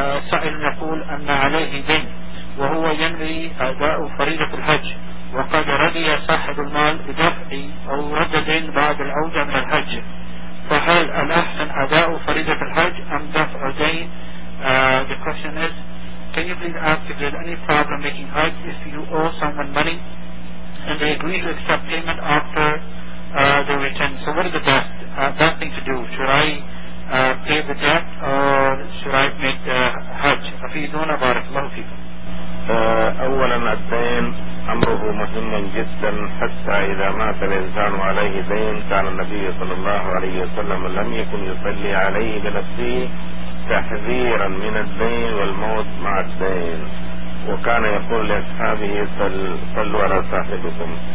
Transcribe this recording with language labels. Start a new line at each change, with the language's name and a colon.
Arabic: سائل يقول أن عليه دين وهو ينوي أداء فريضة الحج وقد رضي صاحب المال بدفع أو رد دين بعد العودة من الحج، فهل الأحسن أداء فريضة الحج أم دفع دين؟
English: The question is, can you please ask if there's any problem making hajj if you owe someone money and they agree to accept payment after the return? So what is the best thing to do? Should I pay the debt or should I make Hajj?
Arabic: أفيدونا بارك الله فيكم. أولا الدين أمره مهم جدا حتى إذا مات الإنسان عليه دين كان النبي صلى الله عليه وسلم لم يكن يصلي عليه بنفسه تحذيرا من الدين والموت مع الدين، وكان يقول لأصحابه صلوا على صاحبكم.